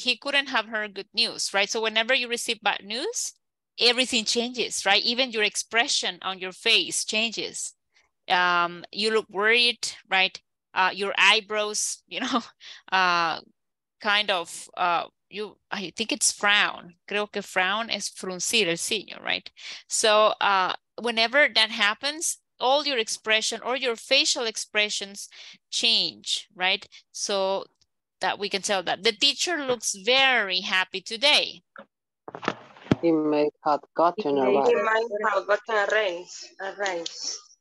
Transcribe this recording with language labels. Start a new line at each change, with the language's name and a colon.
English: He couldn't have heard good news, right? So whenever you receive bad news, everything changes, right? Even your expression on your face changes. You look worried, right? Your eyebrows, you know, kind of, I think it's frown.
Spanish: Creo que frown es fruncir el ceño, right?
English: So whenever that happens, all your expression or your facial expressions change, right? So that we can tell that. The teacher looks very happy today. He might have gotten a raise. He might have gotten a raise. A raise.